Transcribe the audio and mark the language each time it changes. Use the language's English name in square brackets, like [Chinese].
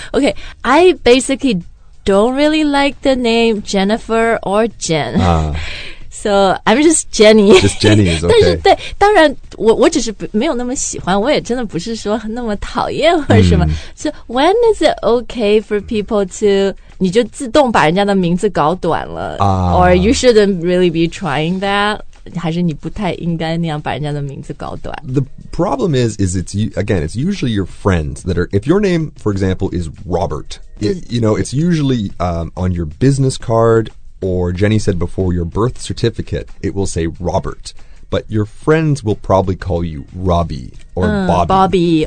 [English] Okay, I basically don't really like the name Jennifer or Jen. So, I'm just Jenny. Just Jenny is okay. [Chinese] 但是对，当然，我只是没有那么喜欢，我也真的不是说那么讨厌或者什么。 [English] So, when is it okay for people to... [Chinese] 你就自动把人家的名字搞短了、 [English] or you shouldn't really be trying that [Chinese] 还是你不太应该那样把人家的名字搞短 [English] The problem is it's, again, it's usually your friends that are, if your name, for example, is Robert, it's usually、on your business card or Jenny said before, your birth certificate, it will say Robert, but your friends will probably call you Robbie or、Bobby